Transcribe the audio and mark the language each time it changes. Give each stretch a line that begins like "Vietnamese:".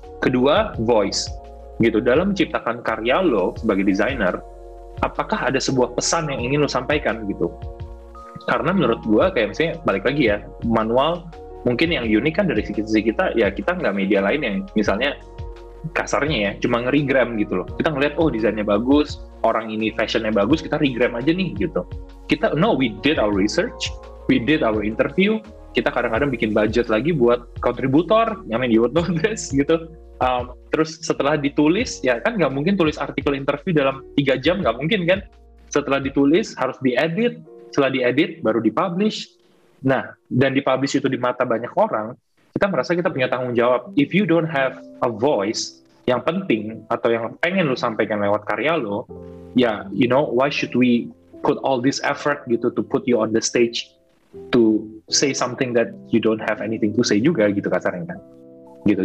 Indonesian: Kedua, voice. Gitu, dalam menciptakan karya lo sebagai desainer, apakah ada sebuah pesan yang ingin lo sampaikan gitu? Karena menurut gua kayak misalnya, balik lagi ya, manual, mungkin yang unik kan dari sisi kita, ya kita nggak media lain yang misalnya kasarnya ya, cuma nge-regram gitu loh. Kita ngeliat, oh desainnya bagus, orang ini fashionnya bagus, kita regram aja nih gitu. Kita,
English: no, we did our research, we did our interview,
Indonesian: kita kadang-kadang bikin budget lagi buat kontributor,
English: I mean you would know this
Indonesian: gitu. Terus setelah ditulis, ya kan nggak mungkin tulis artikel interview dalam 3 jam, nggak mungkin kan. Setelah ditulis, harus diedit, setelah diedit, baru dipublish. Nah, dan dipublish itu di mata banyak orang, kita merasa kita punya tanggung jawab.
English: If you don't have a voice
Indonesian: yang penting atau yang pengen lu sampaikan lewat karya lu,
English: ya, you know, why should we put all this effort
Indonesian: gitu
English: to put you on the stage to say something that you don't have anything to say
Indonesian: juga gitu kasarnya. Gitu.